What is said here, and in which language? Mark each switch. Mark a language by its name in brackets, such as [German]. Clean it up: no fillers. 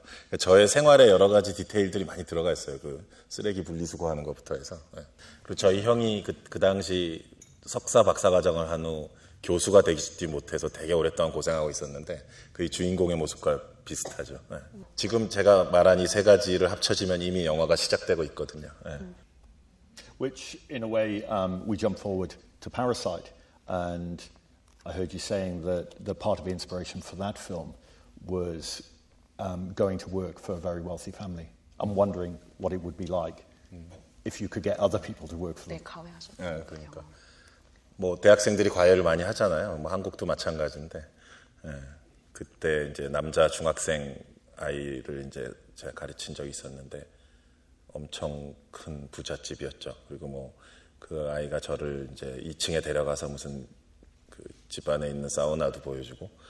[Korean] 그러니까 저의 생활에 여러 가지 디테일들이 많이 들어가 있어요. 그 쓰레기 분리수거하는 것부터 해서. 네. 그리고 저희 형이 그 당시 석사 박사 과정을 한 후 교수가 되지 못해서 되게 오랫동안 고생하고 있었는데 그 주인공의 모습과 비슷하죠. 네. 지금 제가 말한 이 세 가지를 합쳐지면 이미 영화가 시작되고 있거든요. 네. [English] Which in a way we jump forward to Parasite. And I heard you saying that the part of the inspiration for that film was going to work for a very wealthy family. I'm wondering what it would be like if you could get other people to work for them. [Korean] 네, 과외하셨어요. 네, 그러니까. 뭐 대학생들이 과외를 많이 하잖아요. 뭐 한국도 마찬가지인데. 네, 그때 이제 남자 중학생 아이를 이제 제가 가르친 적이 있었는데 엄청 큰 부잣집이었죠. 그리고 뭐 그 아이가 저를 이제 2층에 데려가서 무슨 그 집 안에 있는 사우나도 보여주고.